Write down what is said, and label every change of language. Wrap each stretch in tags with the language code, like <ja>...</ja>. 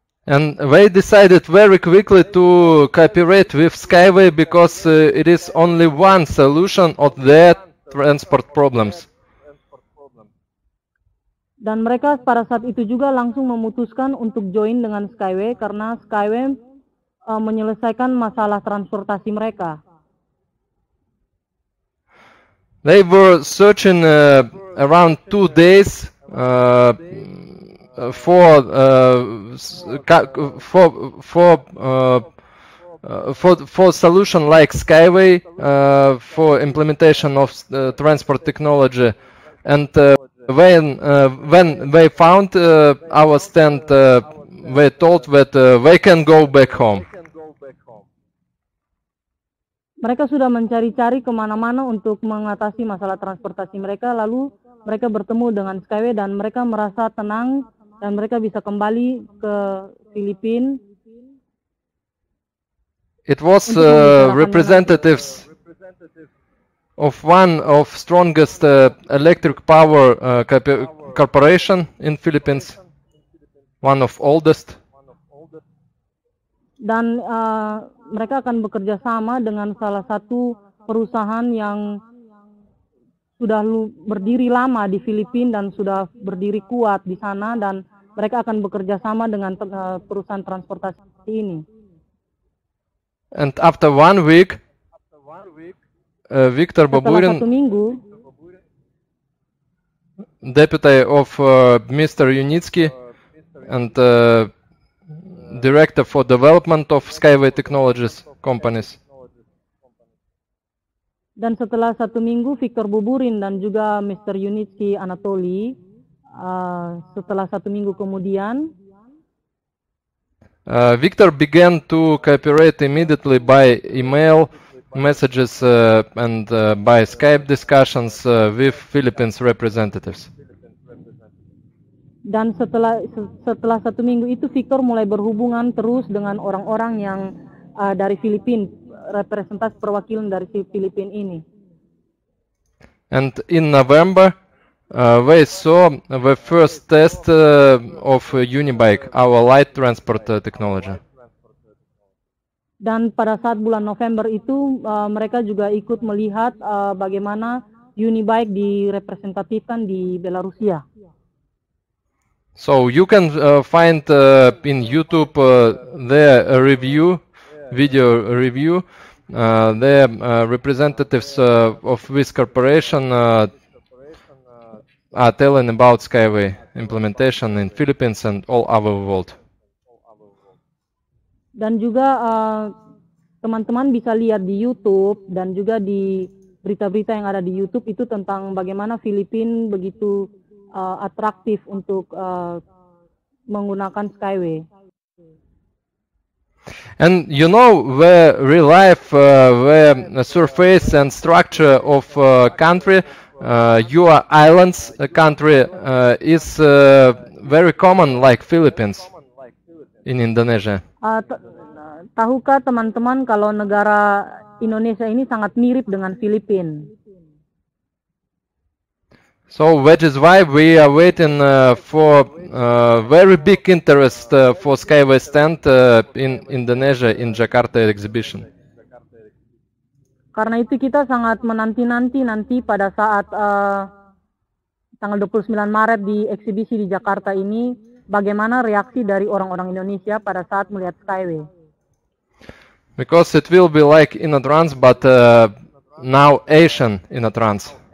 <en>And they decided very quickly to cooperate with Skyway because it is only one solution of their transport problems.</en> <id>Dan mereka pada saat itu juga langsung memutuskan untuk join dengan Skyway karena Skyway menyelesaikan masalah transportasi mereka.</id> <en>They were searching around 2 days for solution like Skyway for implementation of transport technology, and when they found our stand, they told that they can go back home.</en> <id>Mereka sudah mencari-cari kemana-mana untuk mengatasi masalah transportasi mereka, lalu mereka bertemu dengan Skyway dan mereka merasa tenang dan mereka bisa kembali ke Filipina.</id> <en>It was representatives of one of strongest electric power corporation in Philippines, one of oldest.</en> <id>Dan mereka akan bekerja sama dengan salah satu perusahaan yang sudah berdiri lama di Filipina dan sudah berdiri kuat di sana, dan mereka akan bekerja sama dengan perusahaan transportasi ini.</id> <en>And after 1 week, Victor Baburin, deputy of Mr. Yunitsky and director for development of Skyway Technologies companies.</en> <id>Dan setelah satu minggu, Victor Baburin dan juga Mr. Yunitsky Anatoly, setelah satu minggu kemudian,</id> <en>Victor began to cooperate immediately by email messages and by Skype discussions with Philippines representatives.</en> <id>Dan setelah satu minggu itu, Victor mulai berhubungan terus dengan orang-orang yang dari Filipina, representasi perwakilan dari Filipina ini.</id> <en>And in November, we saw the first test of Unibike, our light transport technology.</en> <id>Dan pada saat bulan November itu, mereka juga ikut melihat bagaimana Unibike direpresentasikan di Belarusia.</id> <en>So you can find in YouTube their review, video review, their representatives of this corporation are telling about Skyway implementation in Philippines and all over the world.</en> <id>Dan juga teman-teman bisa lihat di YouTube dan juga di berita-berita yang ada di YouTube itu tentang bagaimana Filipina begitu atraktif untuk menggunakan Skyway.</id> <en>And you know the real life, the surface and structure of a country, your islands country is very common like Philippines in Indonesia.</en> <id>Tahukah teman-teman kalau negara Indonesia ini sangat mirip dengan Filipina?</id> <en>So that is why we are waiting for very big interest for Skyway stand in Indonesia in Jakarta exhibition.</en> <id>Karena itu kita sangat menanti-nanti nanti pada saat tanggal 29 Maret di eksibisi di Jakarta ini, bagaimana reaksi dari orang-orang Indonesia pada saat melihat Skyway.</id> <en>Because it will be like in a trance, but now Asian in a trance.</en>